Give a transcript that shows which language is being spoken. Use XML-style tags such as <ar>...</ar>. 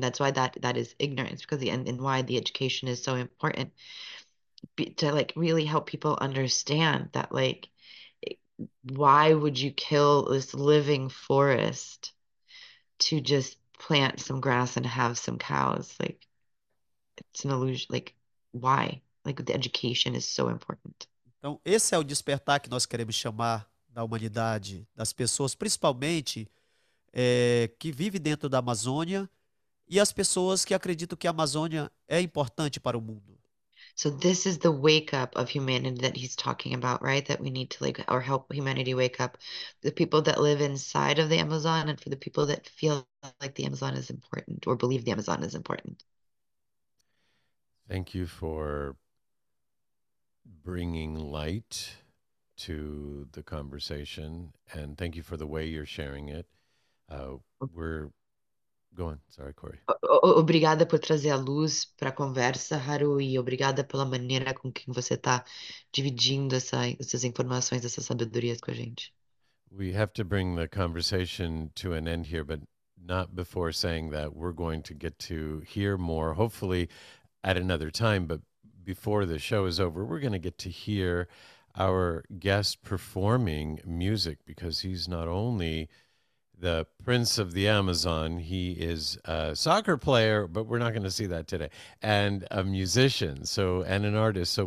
<en>That's why that is ignorance, because and why the education is so important, to like really help people understand that, like, why would you kill this living forest to just plant some grass and have some cows? Like, it's an illusion. Like, why? Like, the education is so important.</en> <pt>Então, esse é o despertar que nós queremos chamar da humanidade, das pessoas, principalmente que vivem dentro da Amazônia e as pessoas que acreditam que a Amazônia é importante para o mundo.</pt> <en>So this is the wake up of humanity that he's talking about, right? That we need to like, or help humanity wake up. The people that live inside of the Amazon, and for the people that feel like the Amazon is important or believe the Amazon is important. Thank you for bringing light to the conversation, and thank you for the way you're sharing it. We're going. Sorry, Corey.</en> <pt>Obrigada por trazer a luz para a conversa, Haru, e obrigada pela maneira com que você está dividindo essas informações, essas sabedorias com a gente.</pt> <en>We have to bring the conversation to an end here, but not before saying that we're going to get to hear more, hopefully at another time, but before the show is over, we're going to get to hear our guest performing music because he's not only the prince of the Amazon, he is a soccer player, but we're not going to see that today, and a musician, so, and an artist.</en>